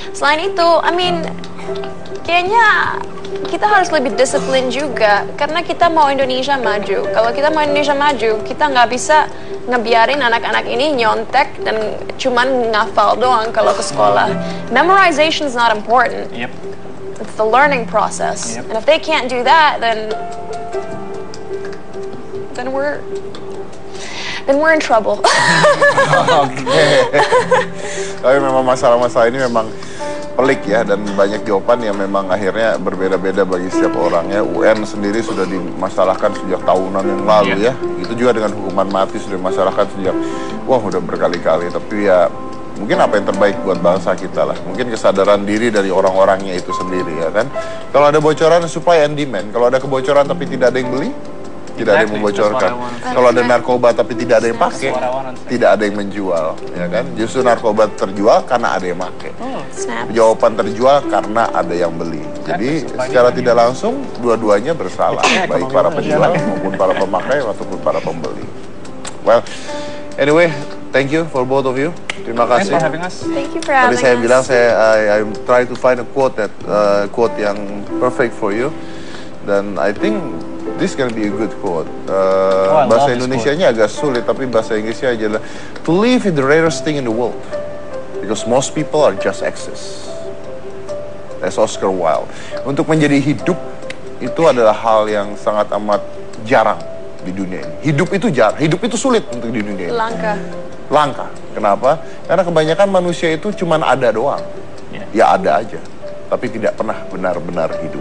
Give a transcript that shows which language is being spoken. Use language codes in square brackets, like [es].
[id] Selain itu, [en] I mean [id] kayaknya kita harus lebih disiplin juga, karena kita mau Indonesia maju. Kalau kita mau Indonesia maju, kita enggak bisa ngebiarin anak-anak ini nyontek dan cuman ngafal doang kalau ke sekolah. [en] Memorization is not important. Yep. It's the learning process. Yep. And if they can't do that, then we're in trouble. [id] Oke. Tapi memang masalah-masalah ini memang pelik ya, dan banyak jawaban yang memang akhirnya berbeda-beda bagi setiap orangnya. UN sendiri sudah dimasalahkan sejak tahunan yang lalu ya. Itu juga dengan hukuman mati sudah dimasalahkan sejak wah udah berkali-kali. Tapi ya mungkin apa yang terbaik buat bangsa kita lah, mungkin kesadaran diri dari orang-orangnya itu sendiri ya kan. Kalau ada bocoran, [en] supply and demand. [id] Kalau ada kebocoran tapi tidak ada yang beli, tidak ada yang membocorkan. Kalau ada narkoba tapi tidak ada yang pakai, tidak ada yang menjual, ya kan? Justru narkoba terjual karena ada yang pakai. Jawaban terjual karena ada yang beli. Jadi secara tidak langsung dua-duanya bersalah, baik para penjual maupun para pemakai ataupun para pembeli. [en] Well, anyway, thank you for both of you. [id] Terima kasih. [en] Thanks for having us. Thank you for having us. [id] Tadi saya bilang saya [en] I'm trying to find a quote yang perfect for you. Dan I think this gonna be a good quote. [id] Bahasa Indonesianya agak sulit, tapi bahasa Inggrisnya aja lah. [en] To live is the rarest thing in the world, because most people are just excess. That's Oscar Wilde. [id] Untuk menjadi hidup itu adalah hal yang sangat amat jarang di dunia ini. Hidup itu jarang, hidup itu sulit untuk di dunia ini. Langka. Langka. Kenapa? Karena kebanyakan manusia itu cuma ada doang. Ya ada aja. tapi tidak pernah benar-benar hidup.